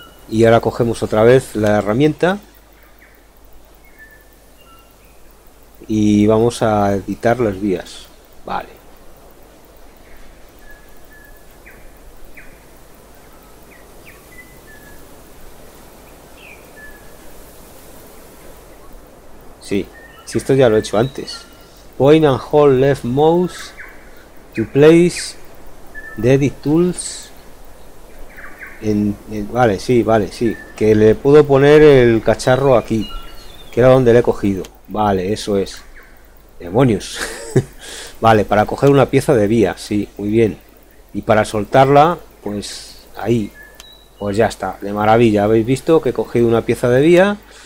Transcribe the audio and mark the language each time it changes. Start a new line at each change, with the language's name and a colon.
Spanish: Y ahora cogemos otra vez la herramienta y vamos a editar las vías. Vale. Sí, sí, esto ya lo he hecho antes.
English: Point and hold left mouse to place the edit tools.
Spanish: Vale, sí, vale, sí. Que le puedo poner el cacharro aquí, que era donde le he cogido. Vale, eso es. Demonios. Vale, para coger una pieza de vía, sí, muy bien. Y para soltarla, pues ahí. Pues ya está, de maravilla. Habéis visto que he cogido una pieza de vía.